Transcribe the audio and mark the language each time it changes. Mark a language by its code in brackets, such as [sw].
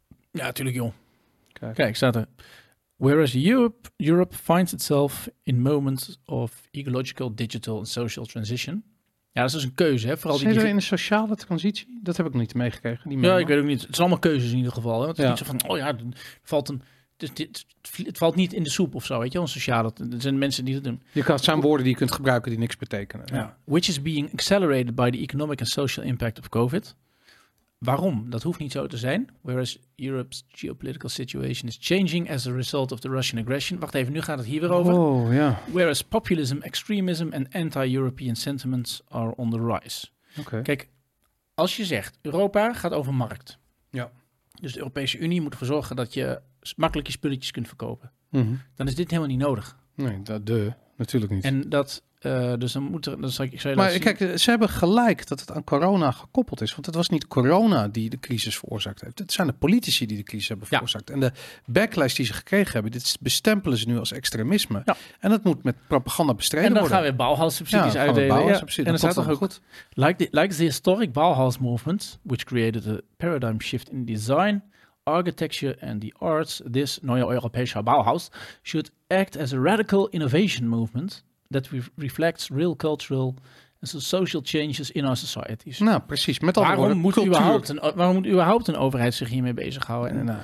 [nl] Ja, natuurlijk, joh. Kijk, staat er. [en] Whereas Europe finds itself in moments of ecological, digital and social transition. [nl] Ja, dat is dus een keuze. Hè? Vooral zijn we in een sociale transitie? Dat heb ik nog niet meegekregen. Ik weet ook niet. Het zijn allemaal keuzes in ieder geval. Hè? Want het is niet zo van, het valt niet in de soep of zo, weet je wel. Sociale, er zijn mensen die dat doen. Het zijn woorden die je kunt gebruiken die niks betekenen. Ja. [en] Which is being accelerated by the economic and social impact of COVID. [nl] Waarom? Dat hoeft niet zo te zijn. [en] Whereas Europe's geopolitical situation is changing as a result of the Russian aggression. [nl] Wacht even, nu gaat het hier weer over. [en] Oh, yeah. Whereas populism, extremism and anti-European sentiments are on the rise. Okay. [nl] Kijk, als je zegt, Europa gaat over markt. Ja. Dus de Europese Unie moet ervoor zorgen dat je makkelijk je spulletjes kunt verkopen. Mm-hmm. Dan is dit helemaal niet nodig. Nee, natuurlijk niet. En dat... dus dan moet er, dan zal ik maar kijk, ze hebben gelijk dat het aan corona gekoppeld is. Want het was niet corona die de crisis veroorzaakt heeft. Het zijn de politici die de crisis hebben veroorzaakt. En de backlash die ze gekregen hebben, dit bestempelen ze nu als extremisme. Ja. En dat moet met propaganda bestreden worden. En dan gaan we Bauhaus-subsidies uitdelen. Ja. En dat staat toch ook goed. [en] Like the historic Bauhaus movement, which created a paradigm shift in design, architecture and the arts, this [de] neue Europäische [en] Bauhaus should act as a radical innovation movement that reflects real cultural and social changes in our societies. [nl] Nou, precies. Met al waarom moet cultuur. Waarom moet überhaupt een overheid zich hiermee bezighouden?